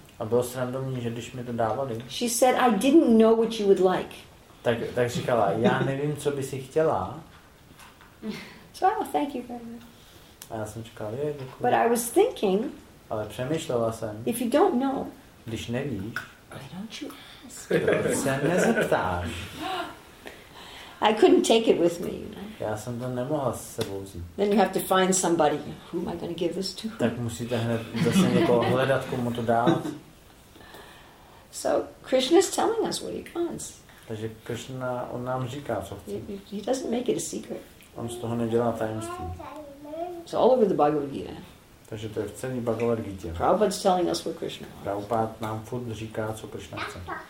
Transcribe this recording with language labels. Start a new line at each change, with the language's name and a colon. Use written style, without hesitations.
Czech: A bylo srandovní, že když mi to dávali.
English: She said, I didn't know what you would like.
Czech: Tak říkala, já nevím, co by si chtěla.
English: So, oh, thank you very much.
Czech: A já jsem říkal, je, děkuji.
English: But I was thinking,
Czech: ale přemýšlela jsem,
English: if you don't know,
Czech: když nevíš,
English: why don't you ask?
Czech: Proč se nezeptáš?
English: I couldn't take it with me.
Czech: Já jsem to nemohla s sebou vzít.
English: Then you have to find somebody. Who am I going to give this to?
Czech: Tak musíte hned zase někoho hledat, komu to dát.
English: So Krishna is telling us what he wants.
Czech: Takže Krishna, on nám říká, co chce.
English: He doesn't make it a secret.
Czech: On z toho nedělá tajemství.
English: So all over the Bhagavad Gita.
Czech: Takže to je v celé Bhagavad Gita.
English: Prabhupada is telling us what Krishna wants.
Czech: Prabhupada nám furt říká, co Krishna chce.